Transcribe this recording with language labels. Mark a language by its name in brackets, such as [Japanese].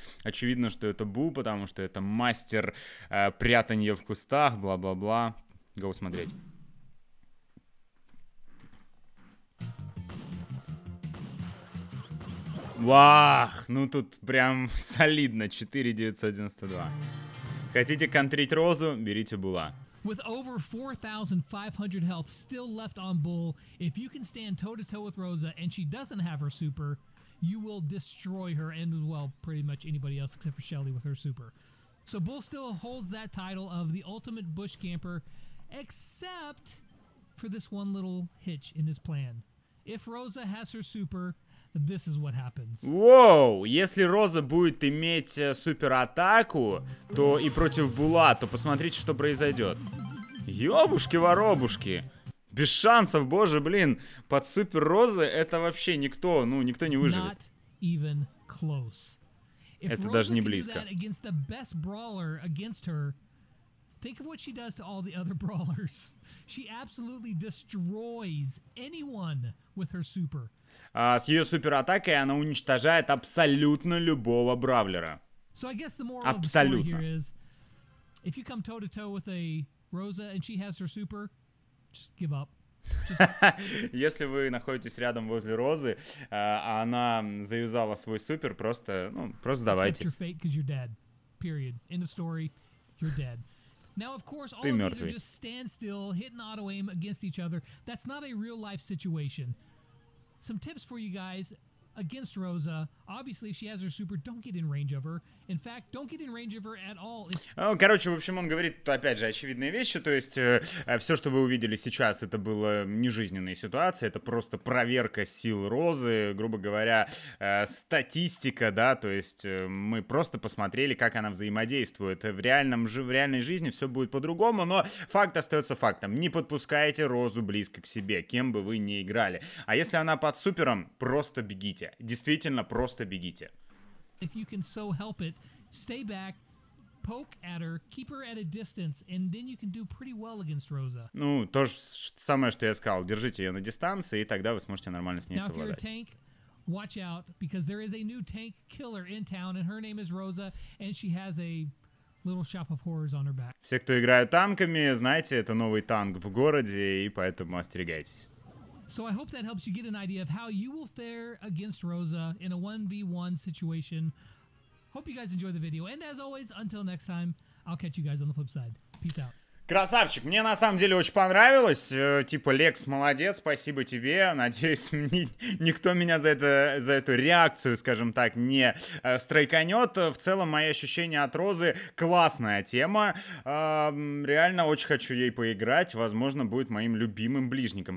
[Russian] Очевидно, что это Булл, потому что это мастер прятания в кустах, бла-бла-бла. Гоу смотреть. Вах, ну тут прям солидно, 4-992. Хотите контрить Розу, берите Булла. [English] With over 4,500 health still left on Bull, if you can stand toe-to-toe with Rosa and she doesn't have her super, you will destroy her and, well, pretty much anybody else except for Shelly with her super. So Bull still holds that title of the ultimate bush camper, except for this one little hitch in his plan. If Rosa has her super, This is what happens. [Russian] Воу, если Роза будет иметь суператаку, то и против Була, то посмотрите, что произойдет. Ёбушки-воробушки. Без шансов, боже, блин. Под супер Розы это вообще никто, ну, никто не выживет. [English] Not even close. [Russian] Это даже не близко. [English] Think of what she does to all the other brawlers. She absolutely destroys anyone with her super. [Russian] С ее суператакой она уничтожает абсолютно любого бравлера. [English] So I guess the moral absolutely. Of the story here is, if you come toe-to-toe with a Rosa and she has her super, just give up. Just... [Russian] Если вы находитесь рядом возле Розы, а она заюзала свой супер, просто, ну, просто сдавайтесь. [English] Accept your fate because you're dead. Period. End of story. You're dead. Now, of course, all of these are just standstill, hitting auto-aim against each other. That's not a real-life situation. Some tips for you guys against Rosa. Obviously, if she has her super, don't get in range of her. In fact, don't get in range of her at all. [Russian] Короче, в общем, он говорит, опять же, очевидные вещи. То есть, все, что вы увидели сейчас, это была нежизненная ситуация. Это просто проверка сил Розы. Грубо говоря, статистика, да. То есть, мы просто посмотрели, как она взаимодействует. В реальной жизни все будет по-другому. Но факт остается фактом. Не подпускайте Розу близко к себе, кем бы вы ни играли. А если она под супером, просто бегите. Действительно, просто бегите. [English] If you can so help it, stay back, poke at her, keep her at a distance, and then you can do pretty well against Rosa. [Russian] Ну, то же самое, что я сказал. Держите ее на дистанции, и тогда вы сможете нормально с ней [English] Now, If you're a tank, watch out, because there is a new tank killer in town, and her name is Rosa, and she has a little shop of horrors on her back. [Russian] Все, кто играют танками, знаете, это новый танк в городе, и поэтому остерегайтесь. [English] So I hope that helps you get an idea of how you will fare against Rosa in a 1v1 situation. Hope you guys enjoy the video. And as always, until next time, I'll catch you guys on the flip side. Peace out. [Russian] Красавчик, мне на самом деле очень понравилось. Типа, Лекс, молодец, спасибо тебе. Надеюсь, никто меня за эту реакцию, скажем так, не стройканет. В целом, мои ощущения от Розы — классная тема. Реально очень хочу ей поиграть. Возможно, будет моим любимым ближником.